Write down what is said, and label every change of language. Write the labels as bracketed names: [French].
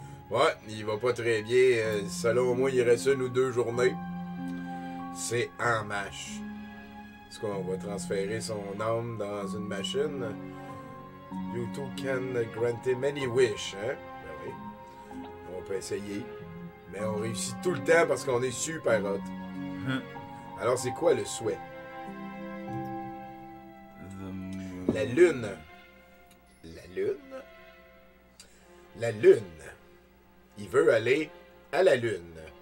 [French] Ouais, il va pas très bien. Selon moi, il reste une ou deux journées. C'est en mâche. Est-ce qu'on va transférer son âme dans une machine? [English] You two can grant him any wish, hein? [French] Ben oui. On peut essayer. Mais on réussit tout le temps parce qu'on est super hot. Alors, c'est quoi le souhait? La lune. La lune? La lune. Il veut aller à la lune.